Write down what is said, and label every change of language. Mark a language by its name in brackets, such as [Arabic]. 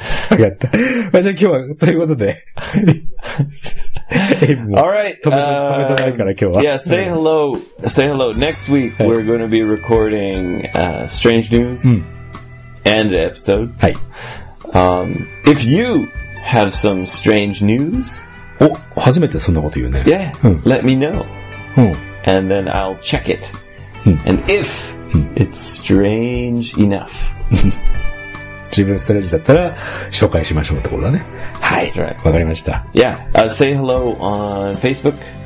[Japanese] わかった。まあ、じゃあ今日は、ということで。 [English] Alright, [Japanese] 止めてないから今日は。 [English] Yeah, say hello. Say hello. Next week, we're going to be recording, Strange News. And an episode. [Japanese] はい。 [English] If you have some strange news. [Japanese] お、初めてそんなこと言うね。 [English] Yeah, let me know. And then I'll check it. And if,It's strange enough. [Japanese] 自分ストレージだったら紹介しましょうってことだね。はい。 [English] That's right. [Japanese] わかりました。 [English] Yeah. Say hello on Facebook.